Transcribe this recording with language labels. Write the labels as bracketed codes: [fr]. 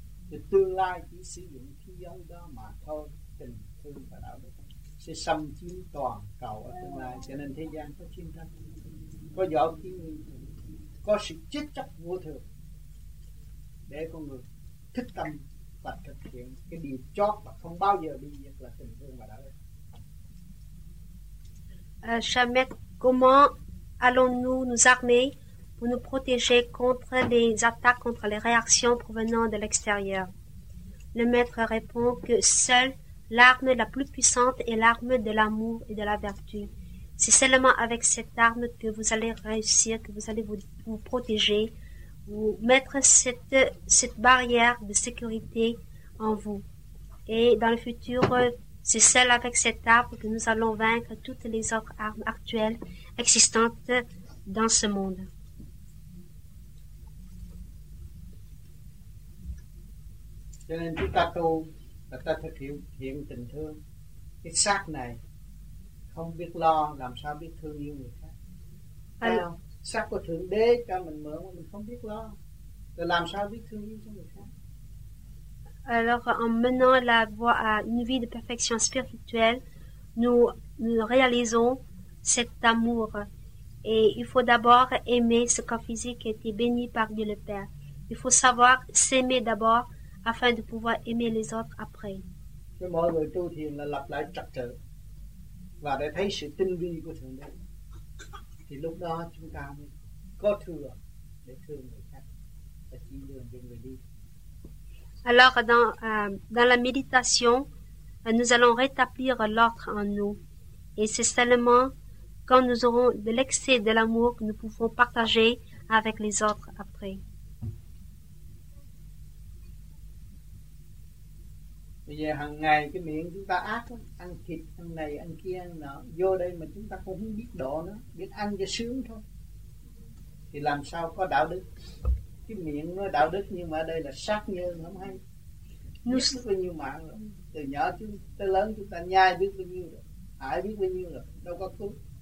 [vi] Thì tương lai chỉ sử dụng khí giới đó mà thôi, tình thương và đạo đức sẽ xâm chiếm toàn cầu ở tương lai. Cho nên thế gian có chiến tranh, có võ khí, có sự chết chóc vô thường, để con người thích tâm và thực hiện cái điều chót và không bao giờ bị diệt là tình thương và đạo đức. [fr] Chamet, comment allons-nous nous armer pour nous protéger contre les attaques, contre les réactions provenant de l'extérieur? Le maître répond que seul l'arme la plus puissante est l'arme de l'amour et de la vertu. C'est seulement avec cette arme que vous allez réussir, que vous allez vous protéger, vous mettre cette barrière de sécurité en vous. Et dans le futur, c'est seul avec cette arme que nous allons vaincre toutes les autres armes actuelles existantes dans ce monde. [vi] Là ta thực hiện tình thương. Cái xác này không biết lo, làm sao biết thương yêu người khác? Thấy không? Xác của Thượng Đế cho mình mượn mà mình không biết lo, rồi làm sao biết thương yêu cho người khác? [fr] Alors en menant la voie à une vie de perfection spirituelle, nous réalisons cet amour. Et il faut d'abord aimer ce corps physique qui a été béni par Dieu le Père. Il faut savoir s'aimer d'abord afin de pouvoir aimer les autres après. Et [vi] để thương người khác và chỉ đường cho người đi. [fr] Alors dans la méditation, nous allons rétablir l'ordre en nous, et c'est seulement quand nous aurons de l'excès de l'amour que nous pouvons partager avec les autres après. [vi] Bây giờ hàng ngày cái miệng chúng ta ác lắm, ăn thịt, ăn này, ăn kia, ăn nọ, vô đây mà chúng ta cũng không biết độ nữa, biết ăn cho sướng thôi, thì làm sao có đạo đức. Cái miệng nó đạo đức nhưng mà đây là sát nhân, không hay. Nhất biết bao nhiêu mạng lắm, từ nhỏ tới lớn chúng ta nhai biết bao nhiêu rồi, hại biết bao nhiêu rồi, đâu có cứu.